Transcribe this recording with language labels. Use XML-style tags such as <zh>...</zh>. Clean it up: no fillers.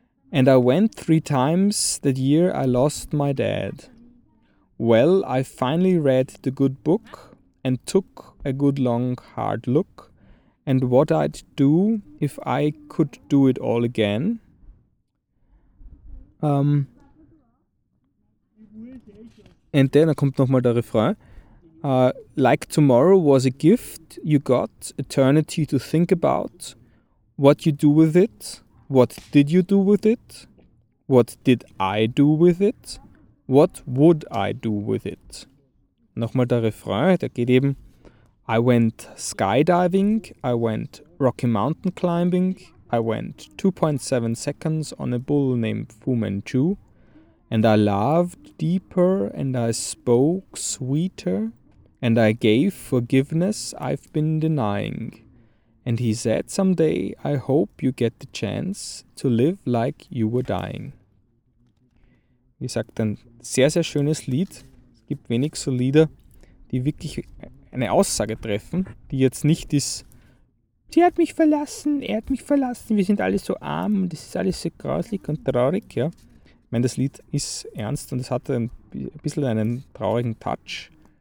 <en>And I went three times that year I lost my dad. Well, I finally read the good book and took a good long hard look and what I'd do if I could do it all again. And then</en> <de>kommt nochmal der Refrain.</de> <en>Like tomorrow was a gift you got eternity to think about what you do with it. What did you do with it? What did I do with it? What would I do with it?</en> <de>Nochmal der Refrain, der geht eben:</de> <en>I went skydiving, I went Rocky Mountain climbing, I went 2.7 seconds on a bull named Fu Manchu, and I loved deeper, and I spoke sweeter, and I gave forgiveness I've been denying. And he said, someday I hope you get the chance to live like you were dying.</en> <de>Wie gesagt, ein sehr, sehr schönes Lied. Es gibt wenig so Lieder, die wirklich eine Aussage treffen, die jetzt nicht ist, sie hat mich verlassen, er hat mich verlassen, wir sind alle so arm und es ist alles so grauslich und traurig. Ja. Ich meine, das Lied ist ernst und es hat ein bisschen einen traurigen Touch.</de>